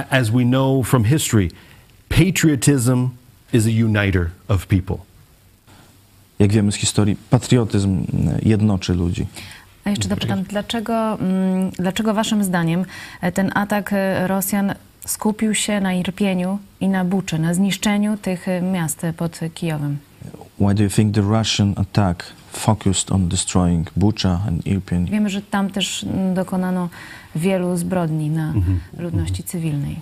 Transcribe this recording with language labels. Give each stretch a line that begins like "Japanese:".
English: As we know from history, patriotism is a uniter of people.
Polish: Jak wiemy z historii, patriotyzm jednoczy ludzi. A jeszcze dopytam, dlaczego waszym zdaniem ten atak Rosjan skupił się na Irpieniu i na Buczy, na zniszczeniu tych miast pod Kijowem?
English: Why do you think the Russian attack focused on destroying Bucha and Irpin?
Polish: Wiemy, że tam też dokonano wielu zbrodni na ludności cywilnej.